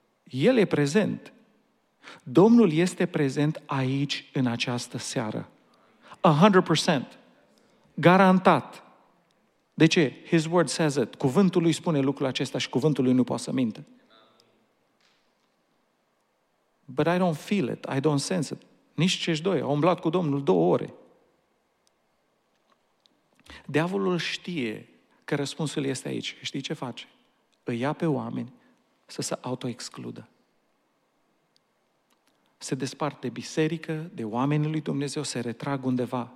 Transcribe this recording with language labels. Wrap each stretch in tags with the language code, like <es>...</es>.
<ro>El e prezent. Domnul este prezent aici, în această seară.</ro> <en>100%.</en> <ro>Garantat. De ce?</ro> <en>His word says it.</en> <ro>Cuvântul Lui spune lucrul acesta și cuvântul Lui nu poate să mintă.</ro> <en>But I don't feel it, I don't sense it.</en> <ro>Nici cești doi, au umblat cu Domnul două ore. Diavolul știe că răspunsul este aici. Știi ce face? Îi ia pe oameni să se autoexcludă. Se despart de biserică, de oamenii lui Dumnezeu, se retrag undeva.</ro>